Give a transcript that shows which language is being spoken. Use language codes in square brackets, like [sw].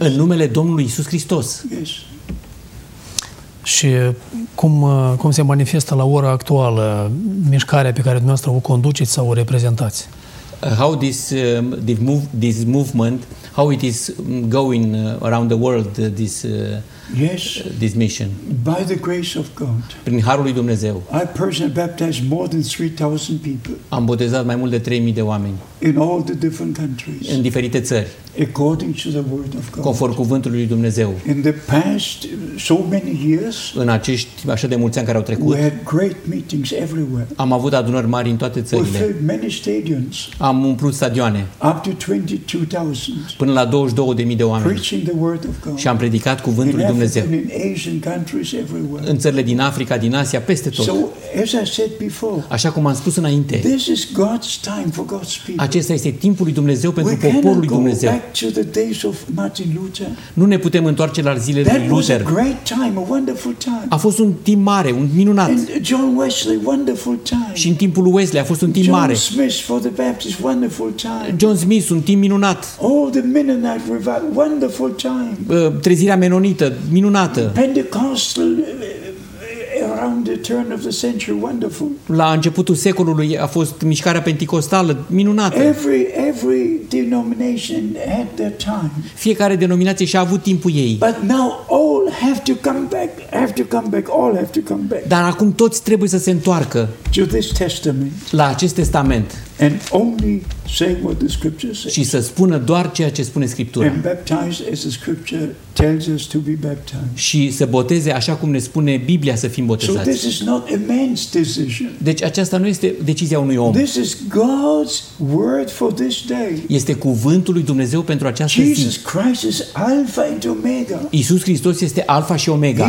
[ro] În numele Domnului Iisus Hristos. [en] Yes. [ro] Și cum se manifestă la ora actuală mișcarea pe care dumneavoastră o conduceți sau o reprezentați? [en] How this this movement, how it is going around the world, this yes, this mission. By the grace of God. [ro] Prin harul lui Dumnezeu. [en] I personally baptized more than 3,000 people. [ro] Am botezat mai mult de 3,000 de oameni. [en] In all the different countries. [ro] În diferite țări. [en] According to the word of God. [ro] Conform cuvântului lui Dumnezeu. [en] In the past so many years. [ro] În acești așa de mulți ani care au trecut. [en] We had great meetings everywhere. [ro] Am avut adunări mari în toate țările. [en] We filled many stadiums. [ro] Am umplut stadioane. [en] Up to 22,000. [ro] Până la 22,000 de oameni. [en] Preaching the word of God. [ro] Și am predicat cuvântul lui Dumnezeu. [en] In Asian countries everywhere. [ro] În țările din Africa, din Asia, peste tot. [en] So as I said before. [ro] Așa cum am spus înainte. [en] This is God's time for God's people. [ro] Acesta este timpul lui Dumnezeu pentru poporul lui Dumnezeu. [en] To the days of Martin Luther. [ro] Nu ne putem întoarce la zilele lui Luther. [en] A great time, a wonderful time. [ro] A fost un timp mare, un minunat. [en] And John Wesley, wonderful time. [ro] Și în timpul lui Wesley a fost un timp [en] John [ro] mare. [en] Smith for the Baptist, wonderful time. [ro] John Smith, un timp minunat. [en] All the Mennonite revival, wonderful time. [ro] Trezirea menonită, minunată. [en] Pentecostal around the turn of the century, wonderful. [ro] La începutul secolului a fost mișcarea penticostală minunată. [en] Every denomination had their time. [ro] Fiecare denominație și-a avut timpul ei. [en] But now all all have to come back, all have to come back. [ro] Dar acum toți trebuie să se întoarcă. [en] To this testament. [ro] La acest testament. [en] And only say what the scripture says. [ro] Și să spună doar ceea ce spune Scriptura. [en] And baptize as the scripture tells us to be baptized. [ro] Și să boteze așa cum ne spune Biblia să fim botezați. [en] So this is not a man's decision. [ro] Deci aceasta nu este decizia unui om. [en] This is God's word for this day. [ro] Este cuvântul lui Dumnezeu pentru această [en] Jesus [ro] zi. [en] Jesus Christ is Alpha and Omega. [ro] Iisus Hristos este Alpha și Omega.